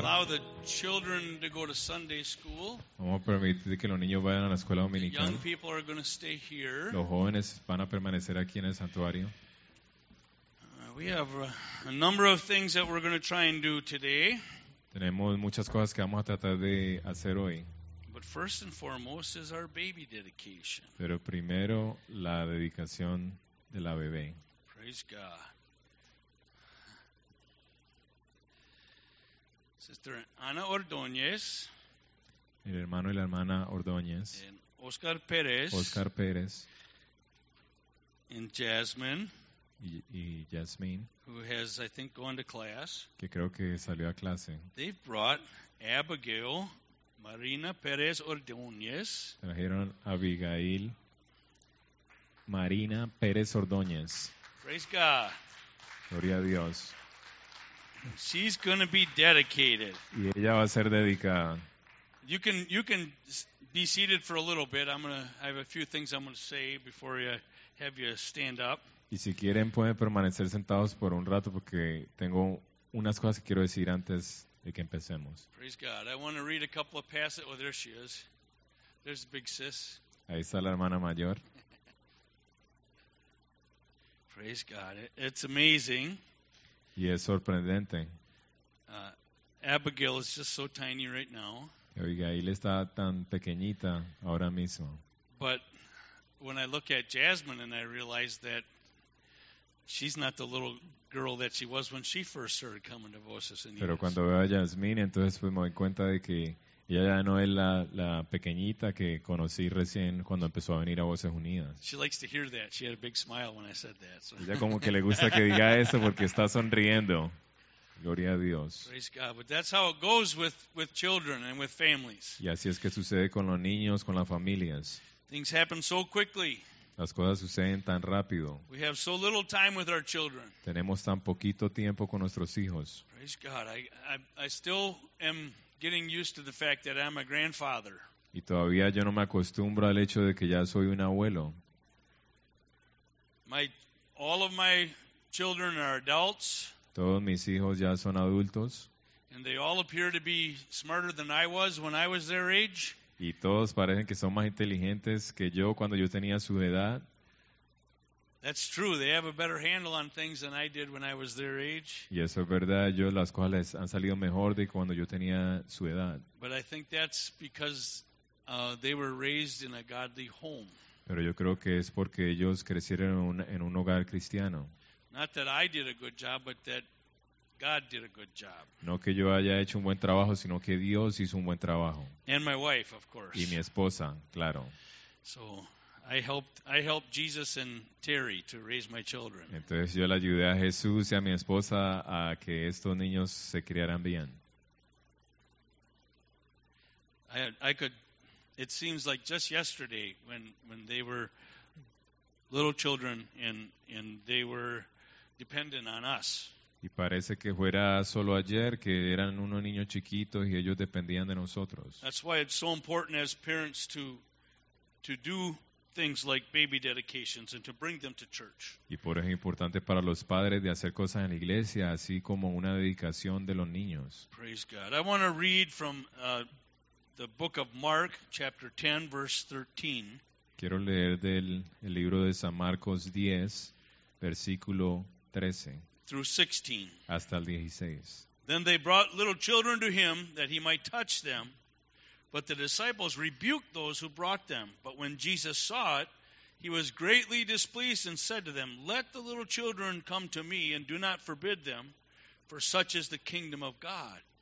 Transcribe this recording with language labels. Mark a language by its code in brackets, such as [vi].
[en] Allow the children to go to Sunday school. [es] Vamos a permitir que los niños vayan a la escuela dominical. [en] The young people are going to stay here. [es] Los jóvenes van a permanecer aquí en el santuario. [en] We have a number of things that we're going to try and do today. [es] Tenemos muchas cosas que vamos a tratar de hacer hoy. [en] But first and foremost is our baby dedication. [es] Pero primero la dedicación de la bebé. [en] Praise God. Sister Ana Ordóñez. [es] El hermano y la hermana Ordóñez. Oscar Pérez. Oscar Pérez. [en] And Jasmine. [es] Y Jasmine. [en] Who has, I think, gone to class. [es] Que creo que salió a clase. [en] They've brought Abigail Marina Pérez Ordóñez. [es] Trajeron Abigail Marina Pérez Ordóñez. [en] Praise God. [es] Gloria a Dios. [en] She's going to be dedicated. [es] Y ella va a ser dedicada. [en] You can be seated for a little bit. I have a few things I'm going to say before I have you stand up. [es] Y si quieren pueden permanecer sentados por un rato porque tengo unas cosas que quiero decir antes de que empecemos. [en] Praise God. I want to read a couple of passages. Oh, there she is. There's the big sis. [es] Ahí está la hermana mayor. [en] Praise God. It's amazing. [es] Y es sorprendente. [en] Abigail is just so tiny right now. [es] Abigail está tan pequeñita ahora mismo. [en] But when I look at Jasmine and I realize that she's not the little girl that she was when she first started coming to Voces Unidas. [es] Pero cuando veo a Jasmine, entonces pues me doy cuenta de que ella ya no es la pequeñita que conocí recién cuando empezó a venir a Voces Unidas. [en] She likes to hear that. She had a big smile when I said that. So. [es] Ella como que le gusta que diga eso porque está sonriendo. Gloria a Dios. [en] Praise God. But that's how it goes with children and with families. [es] Y así es que sucede con los niños, con las familias. [en] Things happen so quickly. [es] Las cosas suceden tan rápido. [en] We have so little time with our children. [es] Tenemos tan poquito tiempo con nuestros hijos. [en] Praise God. I still am getting used to the fact that I'm a grandfather. [es] Y todavía yo no me acostumbro al hecho de que ya soy un abuelo. [en] All of my children are adults. [es] Todos mis hijos ya son adultos. [en] And they all appear to be smarter than I was when I was their age. [es] Y todos parecen que son más inteligentes que yo cuando yo tenía su edad. [en] That's true. They have a better handle on things than I did when I was their age. [es] Y eso es verdad. Yo las cosas han salido mejor de cuando yo tenía su edad. [en] But I think that's because they were raised in a godly home. [es] Pero yo creo que es porque ellos crecieron en un hogar cristiano. [en] Not that I did a good job, but that God did a good job. [es] No que yo haya hecho un buen trabajo, sino que Dios hizo un buen trabajo. [en] And my wife, of course. [es] Y mi esposa, claro. [en] So I helped Jesus and Terry to raise my children. [es] Entonces yo le ayudé a Jesús y a mi esposa a que estos niños se criaran bien. [en] It seems like just yesterday when they were little children and they were dependent on us. [es] Y parece que fuera solo ayer que eran unos niños chiquitos y ellos dependían de nosotros. [en] That's why it's so important as parents to do things like baby dedications and to bring them to church. [es] Y por eso es importante para los padres de hacer cosas en la iglesia, así como una dedicación de los niños. [en] Praise God. I want to read from the book of Mark, chapter 10, verse 13. [es] Quiero leer del libro de San Marcos 10, versículo 13. [en] Through 16. [es] Hasta el 16. [en] Then they brought little children to him that he might touch them. But the disciples rebuked those who brought them. But when Jesus saw it, he was greatly displeased and said to them, "Let the little children come to me and do not forbid them, for such is the kingdom of God.